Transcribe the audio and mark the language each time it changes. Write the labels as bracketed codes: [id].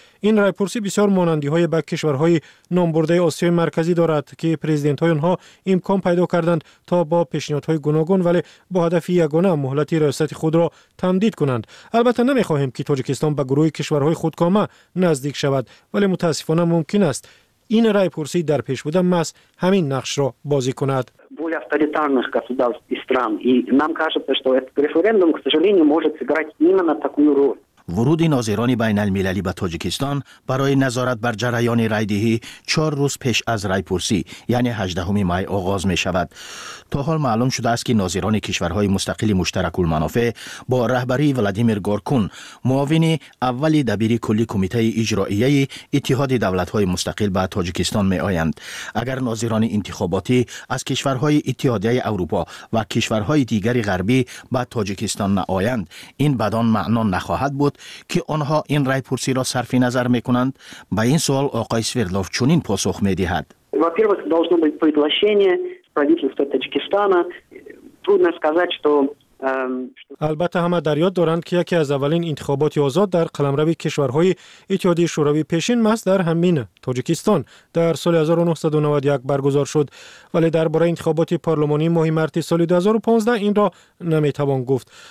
[fa] این رای پرسی بسیار مانندی های به کشورهای نامبرده آسیای مرکزی دارد که پرزیدنت های آنها امکان پیدا کردند تا با پیشنهادهای گوناگون ولی با هدف یگانه مهلت ریاست خود را تمدید کنند. البته نمی خواهیم که تاجیکستان به گروه کشورهای خودکامه نزدیک شود، ولی متاسفانه ممکن است این رای پرسی در پیش بوده ماست همین نقش را بازی کند. [ru] Более авторитарных государств и стран. И нам кажется, что этот референдум, к сожалению, может сыграть именно такую роль. [fa] ورود ناظران بین المللی به تاجیکستان برای نظارت بر جریان رای‌دهی 4 روز پیش از رای‌پرسی یعنی 18 می آغاز می شود. تا حال معلوم شده است که ناظران کشورهای مستقل مشترک المنافع با رهبری ولادیمیر گورکون، معاون اول دبیر کلی کمیته اجرائیه اتحاد دولت‌های مستقل به تاجیکستان می آیند. اگر ناظران انتخاباتی از کشورهای اتحادیه اروپا و کشورهای دیگر غربی به تاجیکستان نآیند، این بدان معنا نخواهد بود که آنها این رای پرسی را صرف نظر می کنند. به این سوال آقای سویردلوف چنین پاسخ می دهد. [ru] Во-первых, должно быть предложение правительства Таджикистана. Трудно сказать, что [fa] البته همه در یاد دارند که یکی از اولین انتخابات آزاد در قلمرو کشورهای اتحادیه شوروی پیشین ماست در همین تاجیکستان در سال 1991 برگزار شد، ولی درباره انتخابات پارلمانی ماه مارس سال 2015 این را نمیتوان گفت.